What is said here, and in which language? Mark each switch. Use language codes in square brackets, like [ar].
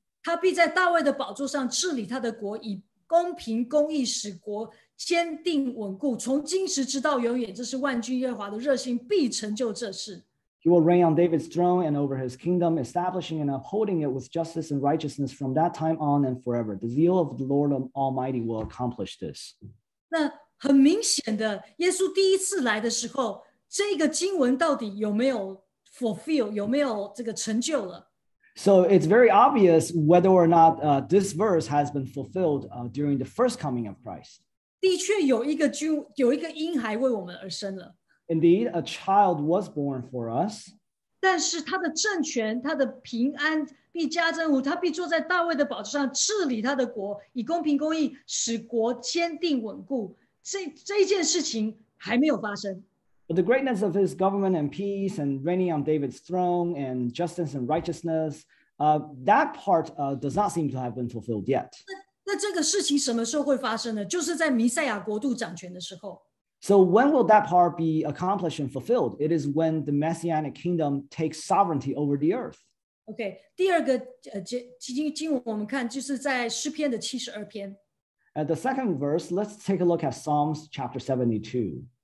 [zh] 他必在大卫的宝座上治理他的国，以公平公义使国坚定稳固，从今时直到永远，这是万军耶和华的热心，必成就这事。 [en] He will reign on David's throne and over his kingdom, establishing and upholding it with justice and righteousness from that time on and forever. The zeal of the Lord Almighty will accomplish this. [zh] 那很明显的，耶稣第一次来的时候，这个经文到底有没有 fulfill, 有没有这个成就了？ [en] So it's very obvious whether or not this verse has been fulfilled during the first coming of Christ. [zh] 的确有一个婴孩为我们而生了。 [en] Indeed, a child was born for us. [zh] 但是他的政权，他的平安必加增无，他必坐在大卫的宝座上治理他的国，以公平公义使国坚定稳固。这件事情还没有发生。 [en] But the greatness of his government and peace and reigning on David's throne and justice and righteousness, that part does not seem to have been fulfilled yet. [zh] 那这个事情什么时候会发生呢?就是在弥赛亚国度掌权的时候。 [en] So when will that part be accomplished and fulfilled? It is when the Messianic kingdom takes sovereignty over the earth. [zh] Okay, 第二个经文我们看就是在诗篇的72篇。 [en] At the second verse, let's take a look at Psalms chapter 72.